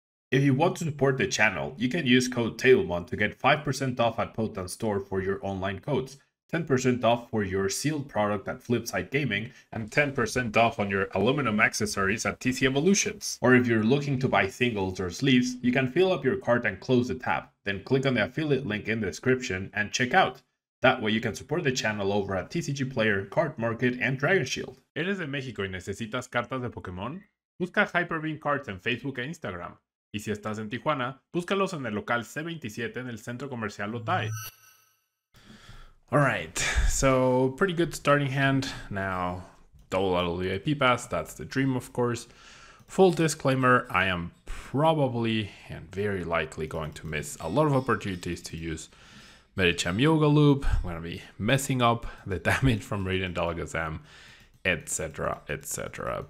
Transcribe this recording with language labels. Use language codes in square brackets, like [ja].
[en] If you want to support the channel, you can use code Tablemon to get 5% off at Potan Store for your online codes, 10% off for your sealed product at Flipside Gaming, and 10% off on your aluminum accessories at TC Evolutions. Or if you're looking to buy singles or sleeves, you can fill up your cart and close the tab, then click on the affiliate link in the description and check out. That way you can support the channel over at TCG Player, Card Market, and Dragon Shield. [es] ¿Eres de México y necesitas cartas de Pokémon? Busca Hyper Beam Cards en Facebook e Instagram. Y si estás en Tijuana, búscalos en el local C27 en el Centro Comercial Otay. [en] Alright, so pretty good starting hand. Now, double out of the VIP pass, that's the dream of course. Full disclaimer, I am probably and very likely going to miss a lot of opportunities to use Medicham Yoga Loop. I'm going to be messing up the damage from Radiant Alakazam, etc, etc.